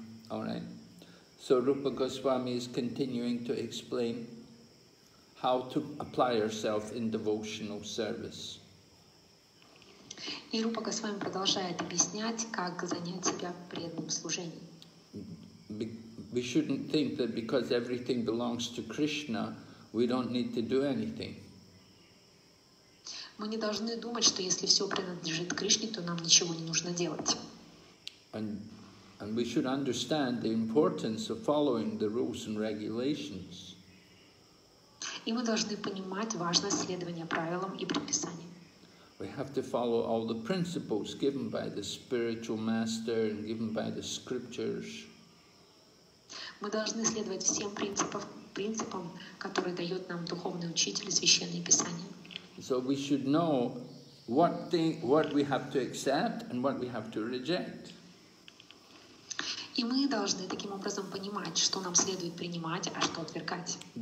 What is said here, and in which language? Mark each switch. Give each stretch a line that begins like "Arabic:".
English: All right. So Rupa Goswami is continuing to explain how to apply yourself in devotional service.
Russian: И Рупа Госвами продолжает объяснять, как занять себя в преданном служении.
English: We shouldn't think that because everything belongs to Krishna, we don't need to do anything.
Russian: Мы не должны думать, что если все принадлежит Кришне, то нам ничего не нужно делать. И мы должны понимать важность следования правилам и предписаниям.
English: We have to follow all the principles given by the spiritual master and given by the scriptures.
Russian: Мы должны следовать всем принципам, которые дает нам духовный учитель, священные писания.
English: So we should know what we have to accept and what we have to reject.
Russian: И мы должны таким образом понимать, что нам следует принимать, а что отвергать.